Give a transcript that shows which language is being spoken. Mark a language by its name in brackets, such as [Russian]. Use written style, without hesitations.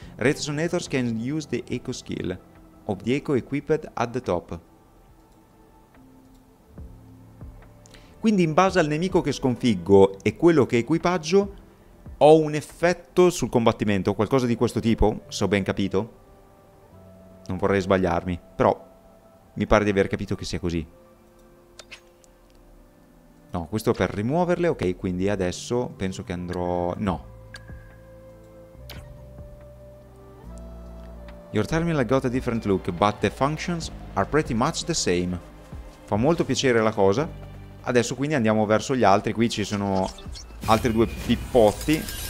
[English] Resonators can use the echo skill of the echo equipped at the top. [Italian] Quindi in base al nemico che sconfiggo e quello che equipaggio, ho un effetto sul combattimento, qualcosa di questo tipo, se ho ben capito. Non vorrei sbagliarmi, però mi pare di aver capito che sia così. No, questo per rimuoverle, ok, quindi adesso penso che andrò... No. [English] Your terminal got a different look, but the functions are pretty much the same. [Italian] Fa molto piacere la cosa. Adesso quindi andiamo verso gli altri, qui ci sono altri due pippotti.